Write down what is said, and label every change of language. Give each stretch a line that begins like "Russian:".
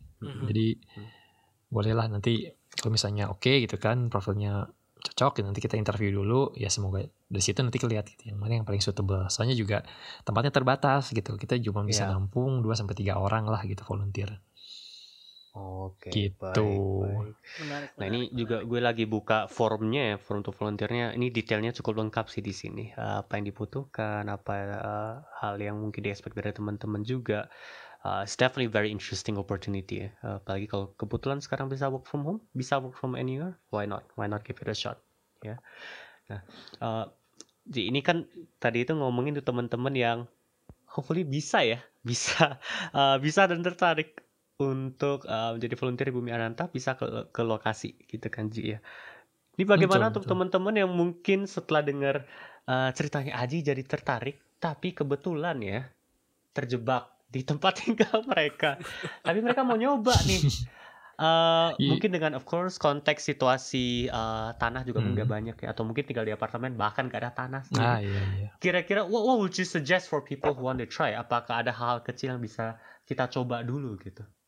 Indonesian: Jadi bolehlah nanti kalau misalnya oke gitu kan, profilnya cocok, nanti kita interview dulu ya, semoga dari situ nanti kelihat gitu yang mana yang paling suitable, soalnya juga tempatnya terbatas gitu, kita cuma bisa nampung 2-3 orang lah gitu volunteer. Oke, gitu. Baik. Nah ini juga gue lagi buka formnya, form to volunteernya. Ini detailnya cukup lengkap sih di sini. Apa yang dibutuhkan, apa hal yang mungkin diexpect dari teman-teman juga.
English: It's definitely very interesting opportunity.
Indonesian: Apalagi kalau kebetulan sekarang bisa
English: work from home, bisa work from anywhere. Why not? Why not give it a shot? Ya. Yeah.
Indonesian: Nah, jadi ini kan tadi itu ngomongin tuh teman-teman yang
English: hopefully
Indonesian: bisa ya, bisa dan tertarik untuk menjadi volunteer di Bumi Ananta, bisa ke lokasi gitu kan Ji ya. Ini bagaimana untuk teman-teman yang mungkin setelah dengar ceritanya Aji jadi tertarik, tapi kebetulan ya terjebak di tempat tinggal mereka, tapi mereka mau nyoba nih. Mungkin dengan
English: of course
Indonesian: konteks situasi tanah juga nggak banyak ya, atau mungkin tinggal di apartemen bahkan nggak ada tanah sih. Kira-kira
English: what would you suggest for people who want to try?
Indonesian: Apakah ada hal kecil yang bisa kita coba dulu gitu?